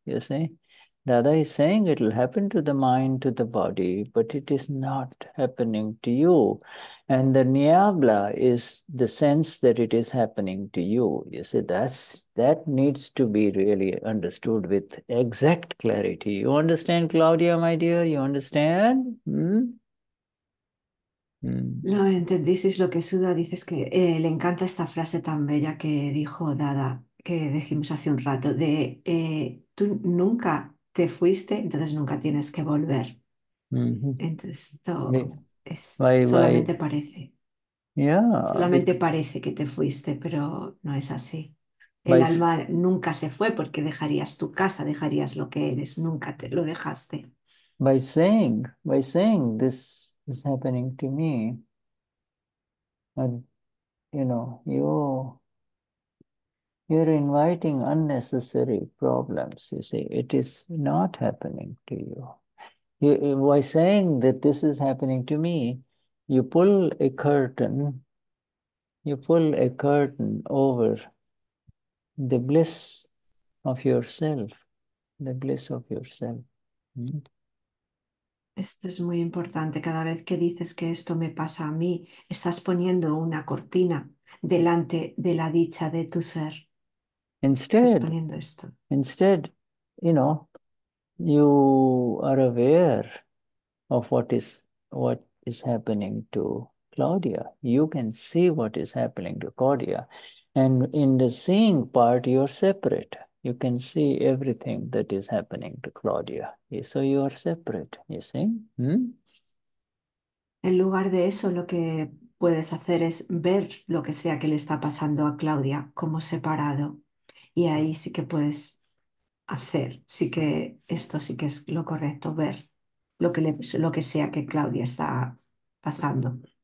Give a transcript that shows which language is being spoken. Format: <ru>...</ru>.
<en>You see, Dada is saying it will happen to the mind, to the body, but it is not happening to you. And the niyabla is the sense that it is happening to you. You see, that needs to be really understood with exact clarity. You understand, Claudia, my dear? You understand?</en> <es>Lo entendiste, es lo que Suda dice, es que le encanta esta frase tan bella que dijo Dada, que dijimos hace un rato, de tú nunca te fuiste, entonces nunca tienes que volver. Entonces esto es solamente parece. Solamente parece que te fuiste, pero no es así. El alma nunca se fue porque dejarías tu casa, dejarías lo que eres, nunca te lo dejaste.</es> <en>By saying this is happening to me, and you know, you're inviting unnecessary problems, you see. It is not happening to you. By saying that this is happening to me, you pull a curtain, you pull a curtain over the bliss of yourself, the bliss of yourself.</en> <es>Esto es muy importante. Cada vez que dices que esto me pasa a mí, estás poniendo una cortina delante de la dicha de tu ser. Estás</es> <en>Instead,</en> <es>poniendo esto.</es> <en>you know, you are aware of what is happening to Claudia. You can see what is happening to Claudia. And in the seeing part, you're separate. You can see everything that is happening to Claudia. So you are separate, you see?</en> <es>En lugar de eso, lo que puedes hacer es ver lo que sea que le está pasando a Claudia como separado. Y ahí sí que puedes hacer, sí que esto sí que es lo correcto, ver lo que sea que Claudia está pasando.</es>